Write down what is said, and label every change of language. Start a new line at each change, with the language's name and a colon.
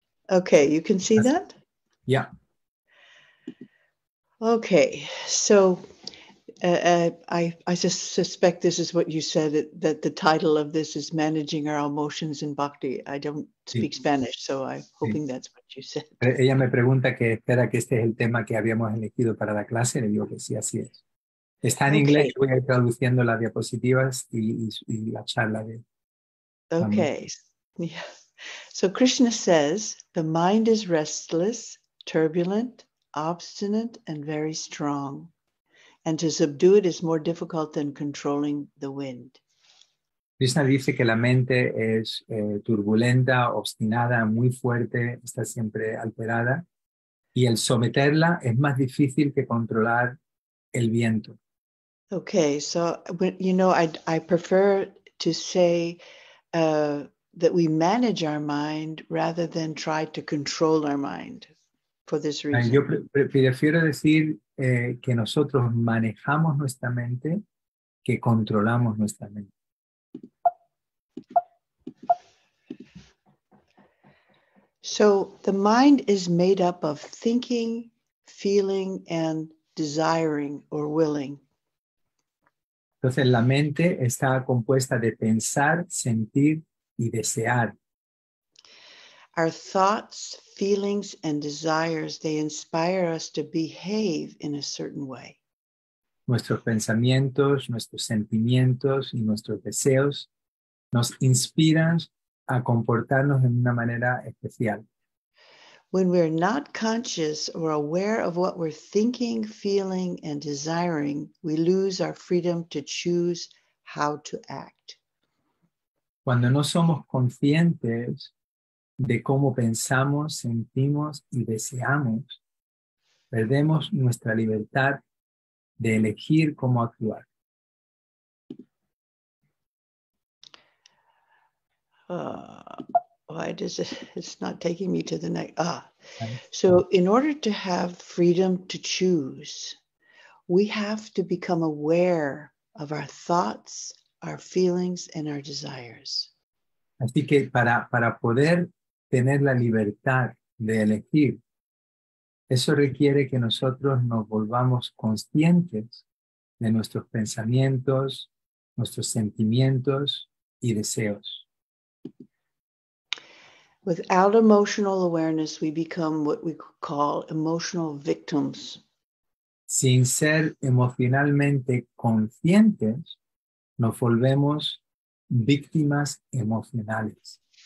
English: Okay, you can see that? Yeah. Okay, so I just suspect this is what you said, that the title of this is Managing Our Emotions in Bhakti. I don't speak Spanish, so I'm hoping that's what you said.
Spanish: Ella me pregunta que espera que este es el tema que habíamos elegido para la clase. Le digo que sí, así es. Está en inglés, voy a ir traduciendo las diapositivas y la charla.
English: Okay. Yeah. So Krishna says, the mind is restless, turbulent, obstinate, and very strong. And to subdue it is more difficult than controlling the wind.
Spanish: Krishna dice que la mente es turbulenta, obstinada, muy fuerte, está siempre alterada. Y el someterla es más difícil que controlar el viento.
English: Okay, so you know, I prefer to say that we manage our mind rather than try to control our mind for this reason.
Spanish: Yo prefiero decir que nosotros manejamos nuestra mente que controlamos nuestra mente.
English: So the mind is made up of thinking, feeling, and desiring or willing.
Spanish: Entonces, la mente está compuesta de pensar, sentir y desear.
English: Our thoughts, feelings, and desires, they inspire us to behave in a certain way.
Spanish: Nuestros pensamientos, nuestros sentimientos y nuestros deseos nos inspiran a comportarnos de una manera especial.
English: When we're not conscious or aware of what we're thinking, feeling, and desiring, we lose our freedom to choose how to act.
Spanish: Cuando no somos conscientes de cómo pensamos, sentimos y deseamos, perdemos nuestra libertad de elegir cómo actuar.
English: It's not taking me to the next. So in order to have freedom to choose, we have to become aware of our thoughts, our feelings, and our desires.
Spanish: Así que para poder tener la libertad de elegir, eso requiere que nosotros nos volvamos conscientes de nuestros pensamientos, nuestros sentimientos y deseos.
English: Without emotional awareness, we become what we call emotional victims.
Spanish: Sin ser emocionalmente conscientes, nos volvemos víctimas emocionales.